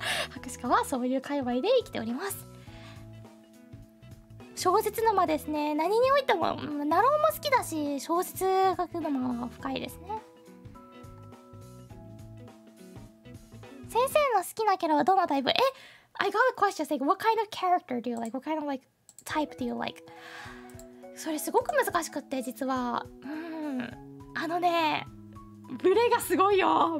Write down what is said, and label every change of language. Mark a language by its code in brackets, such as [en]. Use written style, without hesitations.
[ja] 博士課はそういう界隈で生きております。小説の間ですね、何においてもナロンも好きだし、小説書くのも深いですね。先生の好きなキャラはどのタイプ？ [en] え、I got a question. Like, what kind of character do you like? What kind of like type do you like? [ja] それすごく難しくって、実は、あのね、ブレがすごいよ。